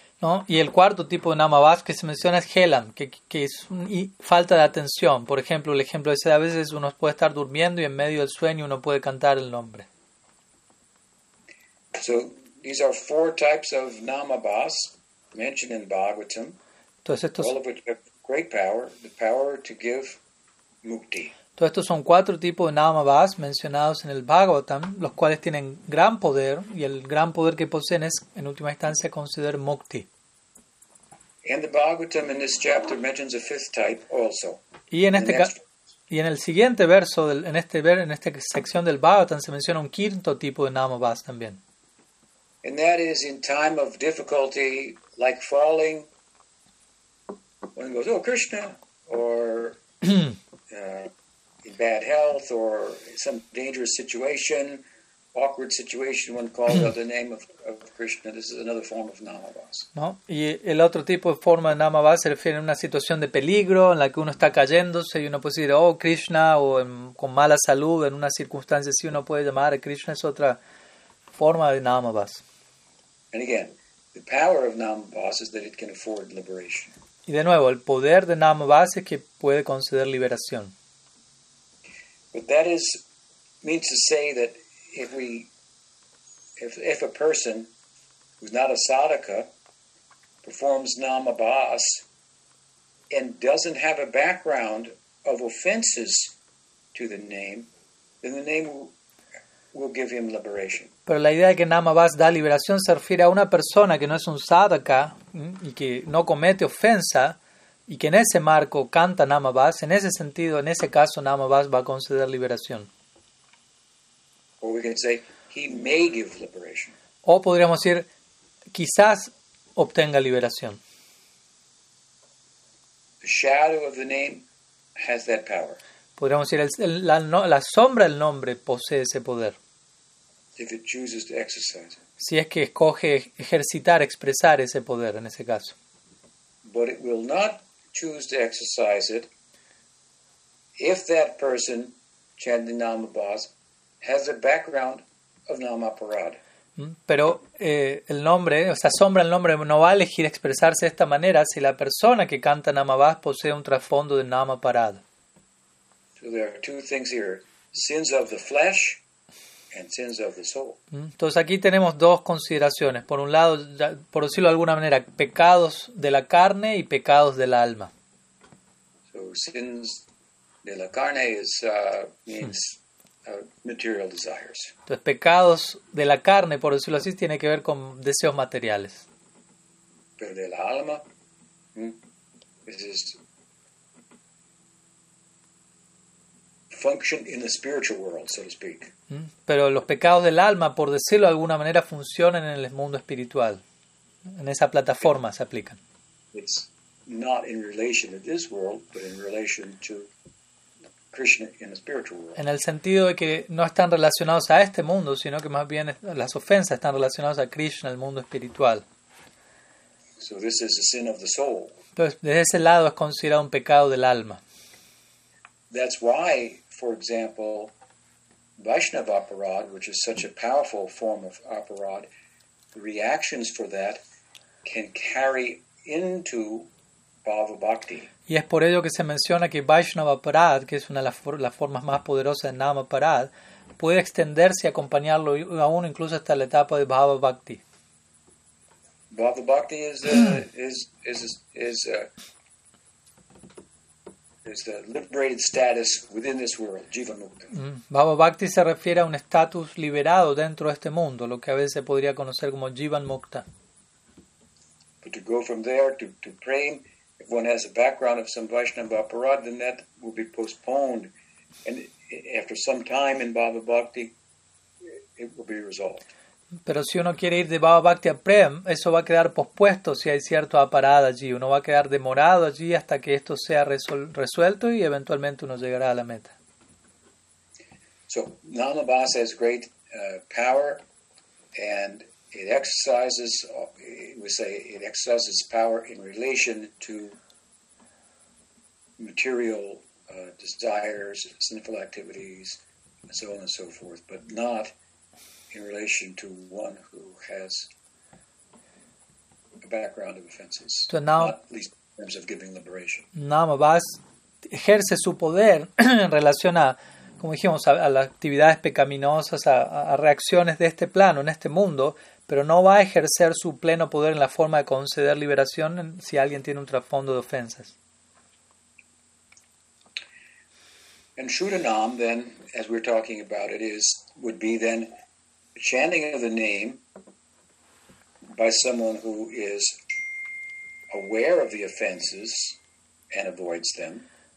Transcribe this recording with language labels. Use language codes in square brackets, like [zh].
[es] No, y el cuarto tipo de Namabhas que se menciona es Helam, que es falta de atención. Por ejemplo, el ejemplo es a veces uno puede estar durmiendo y en medio del sueño uno puede cantar el nombre. [en] So these are four types of Namabhas mentioned in Bhagavatam. [es] Entonces estos, [en] all of which have great power, the power to give mukti. [es] Todos estos son cuatro tipos de Namabhas mencionados en el Bhagavatam, los cuales tienen gran poder, y el gran poder que poseen es, en última instancia, conceder mukti. [en] And the Bhagavatam in this chapter mentions a fifth type also. [es] Y en esta sección del Bhagavatam se menciona un quinto tipo de Namabhas también. [en] And that is in time of difficulty, like falling, one goes, oh Krishna, or in bad health or some dangerous situation, awkward situation, one calls out the name of Krishna. This is another form of Namabhas. [es] No, y el otro tipo de forma de Namabhas se refiere a una situación de peligro en la que uno está cayéndose y uno puede decir, oh Krishna, o con mala salud, en una circunstancia así uno puede llamar a Krishna. Es otra forma de Namabhas. [en] And again, the power of Namabhas is that it can afford liberation. [es] Y de nuevo, el poder de Namabhasa es que puede conceder liberación. [en] But that is means to say that if we if a person who's not a sadhaka performs Namabhasa and doesn't have a background of offenses to the name, then the name will give him liberation. [es] Pero la idea de que Namabhasa da liberación se refiere a una persona que no es un sadhaka y que no comete ofensa y que en ese marco canta Namabhasa, en ese sentido, en ese caso, Namabhasa va a conceder liberación. [en] Or we can say, he may give liberation. [es] O podríamos decir, quizás obtenga liberación. [en] The shadow of the name has that power. [es] Podríamos decir, la sombra del nombre posee ese poder. [en] If it chooses to exercise. [es] Si es que escoge ejercitar, expresar ese poder en ese caso. [en] But it will not choose to exercise it if that person chanting Namabhasa has a background of Namaparadha. [es] Pero el nombre, o sea, sombra el nombre, no va a elegir expresarse de esta manera si la persona que canta Namabhasa posee un trasfondo de Namaparadha. [en] So there are two things here. Sins of the flesh and sins of the soul. [es] Entonces aquí tenemos dos consideraciones. Por un lado, por decirlo de alguna manera, pecados de la carne y pecados del alma. [en] So sins [es] de la carne [en] is, means material desires. [es] Entonces pecados de la carne, por decirlo así, tiene que ver con deseos materiales. Pero del alma, [en] this is function in the spiritual world, so to speak. [es] Pero los pecados del alma, por decirlo de alguna manera, funcionan en el mundo espiritual. En esa plataforma se aplican. [en] It's not in relation to this world, but in relation to Krishna in the spiritual world. [es] En el sentido de que no están relacionados a este mundo, sino que más bien las ofensas están relacionadas a Krishna, el mundo espiritual. [en] So this is a sin of the soul. [es] Entonces, desde ese lado es considerado un pecado del alma. [en] That's why, for example, Vaishnava aparad, which is such a powerful form of aparad, reactions for that can carry into bhava bhakti. [es] Y es por ello que se menciona que Vaishnava aparad, que es una de las formas más poderosas de nama aparad, puede extenderse y acompañarlo a uno incluso hasta la etapa de bhava bhakti. [en] Bhava bhakti is the liberated status within this world, jiva mukta. [es] Bhava Bhakti se refiere a un estatus liberado dentro de este mundo, lo que a veces se podría conocer como jiva mukta. [en] But to go from there to praying, if one has a background of some Vaishnava aparad, then that will be postponed, and after some time in Bhava Bhakti, it will be resolved. [es] Pero si uno quiere ir de Bhava Bhakti a Prem, eso va a quedar pospuesto si hay cierto aparada allí. Uno va a quedar demorado allí hasta que esto sea resuelto y eventualmente uno llegará a la meta. [en] So, Namabhasa has great power and it exercises, we say, it exercises power in relation to material desires, sinful activities, and so on and so forth, but not in relation to one who has a background of offenses, so now, not least in terms of giving liberation. [es] Namabhasa ejerce su poder en relación a, como dijimos, a las actividades pecaminosas, a reacciones de este plano, en este mundo, pero no va a ejercer su pleno poder en la forma de conceder liberación si alguien tiene un trasfondo de ofensas. [en] And Suddha-nam, then, as we're talking about it, would be then chanting of the name by someone who is aware of the offenses and avoids them.